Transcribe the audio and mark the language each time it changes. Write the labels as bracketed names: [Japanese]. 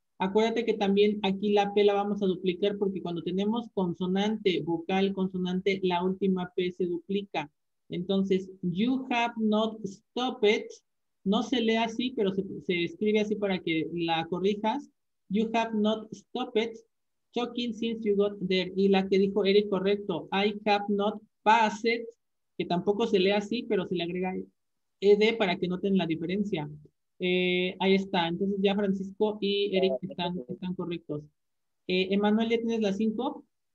[Spanish] Acuérdate que también aquí la P la vamos a duplicar porque cuando tenemos consonante, vocal, consonante, la última P se duplica. Entonces, [English] you have not stopped, [Spanish] no se lee así, pero se escribe así para que la corrijas. [English] You have not stopped talking since you got there. [Spanish] Y la que dijo Eric, correcto, [English] I have not passed, [Spanish] que tampoco se lee así, pero se le agrega ed para que noten la diferencia. Ahí está. Entonces, ya Francisco y Eric están correctos. Emanuel, ¿ya tienes la 5?